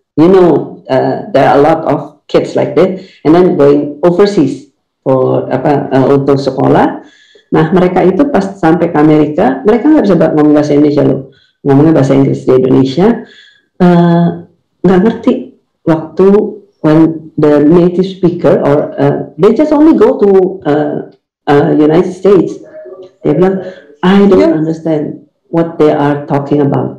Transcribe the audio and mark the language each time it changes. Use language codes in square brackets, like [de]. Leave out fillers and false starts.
[en] You know, there are a lot of kids like that. And then going overseas [id] untuk sekolah. Nah, mereka itu pas sampai ke Amerika, mereka nggak bisa ngomong bahasa Indonesia loh. Ngomongnya bahasa Inggris di Indonesia. Nggak ngerti waktu [en] when the native speaker or they just only go to United States. They [id] bilang, [en] I don't understand what they are talking about.